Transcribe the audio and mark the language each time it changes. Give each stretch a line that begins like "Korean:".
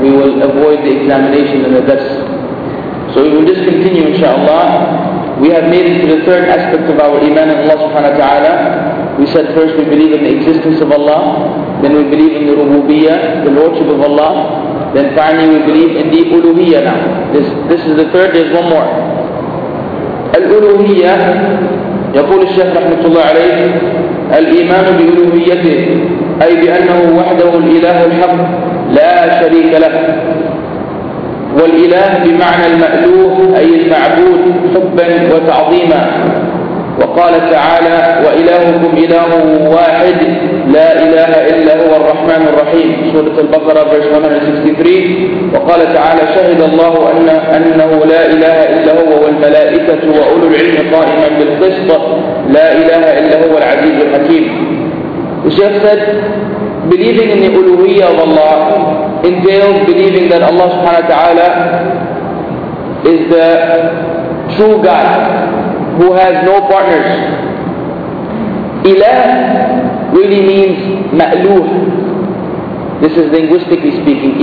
English: We will avoid the examination in the dars. So we will just continue, inshaAllah. We have made it to the third aspect of our iman in Allah subhanahu wa ta'ala. We said first we believe in the existence of Allah, then we believe in the rububiyyah, the lordship of Allah, then finally we believe in the uluhiyyah now. This is the third, there's one more.
Arabic: الألوهية يقول الشيخ رحمة الله عليه الإيمان بألوهيته أي بأنه وحده الإله الحق لا شريك له، والإله بمعنى المألوه أي المعبود حبا وتعظيما. وقال تعالى وإلهكم إله واحد لا إله إلا هو الرحمن الرحيم، سورة البقرة
English: verse 163.
Arabic: وقال تعالى شهد الله أنه لا إله إلا هو والملائكة وأولو العلم قائما بالقسط لا إله إلا هو العزيز الحكيم.
English: الشيخ said believing in the ألوهية of Allah entails believing that Allah
Arabic: سبحانه وتعالى
English: is the true God who has no partners. Ilah really means ma'luh. This is linguistically speaking.